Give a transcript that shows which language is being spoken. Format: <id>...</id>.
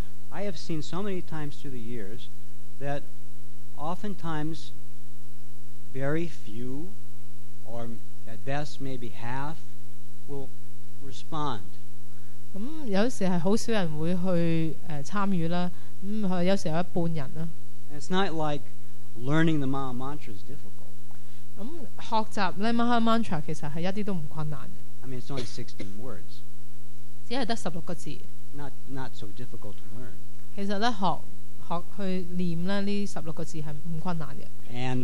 <en>I have seen so many times through the years that oftentimes, very few, or at best maybe half, will respond.</en> <yue>咁有時係好少人會去參與啦。咁有時有一半人啦。</yue> <en>It's not like learning the Maha Mantra is difficult.</en> <yue>咁學習咧 Maha Mantra 其實係一啲都唔困難嘅。</yue> <en>I mean, it's only 16 words.</en> <yue>只係得16個字。</yue> <en>Not so difficult to learn.</en> <yue>其實咧學去念咧呢16個字係唔困難嘅。</yue> <en>And</en>